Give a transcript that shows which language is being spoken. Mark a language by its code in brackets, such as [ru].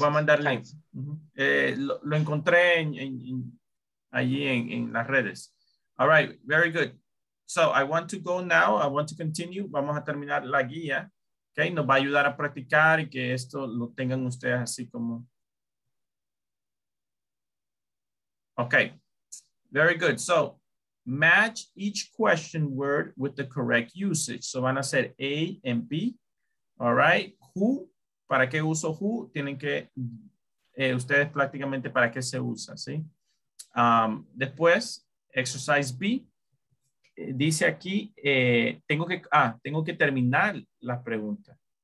[es] Voy a mandar el link. Uh-huh. Lo encontré allí en las redes. [en] All right. Very good. So I want to go now, I want to continue. [es] Vamos a terminar la guía, [en] okay? [es] Nos va a ayudar a practicar y que esto lo tengan ustedes así como. [en] Okay, very good. So match each question word with the correct usage. [es] So van a ser A and B, all right? Who, para qué uso who? Tienen que, ustedes prácticamente para qué se usa, ¿sí? Después, exercise B. Dice aquí, tengo que terminar la pregunta.